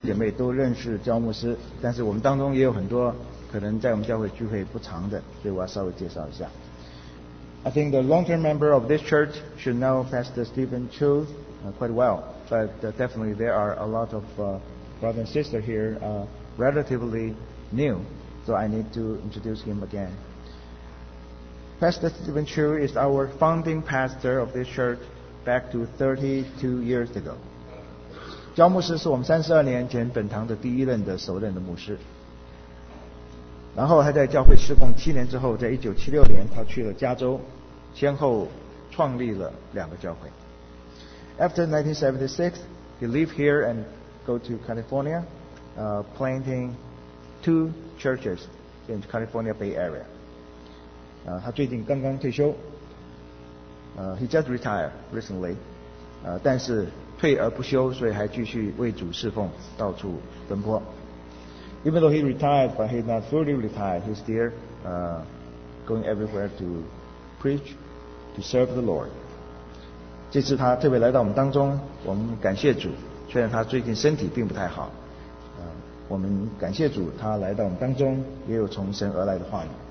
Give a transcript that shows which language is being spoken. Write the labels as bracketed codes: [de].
[zh] 姐妹都认识焦牧师，但是我们当中也有很多可能在我们教会聚会不长的，所以我要稍微介绍一下。 [en] I think the long-term member of this church should know Pastor Stephen Chu quite well, but definitely there are a lot of brothers and sisters here relatively new, so I need to introduce him again. Pastor Stephen Chu is our founding pastor of this church back to 32 years ago. [zh] 焦牧师是我们32年前本堂的第一任的首任的牧师，然后他在教会施工七年之后，在1976年他去了加州，先后创立了两个教会。 [en] After 1976, he lived here and go to California, planting two churches in California Bay Area. [zh] 他最近刚刚退休。 [en] He just retired recently, [zh] 但是退而不休，所以还继续为主侍奉，到处奔波。 [en] Even though he retired, but he's not fully retired, he's still going everywhere to preach, to serve the Lord. [zh] 这次他特别来到我们当中，我们感谢主，虽然他最近身体并不太好，我们感谢主他来到我们当中，也有从神而来的话语。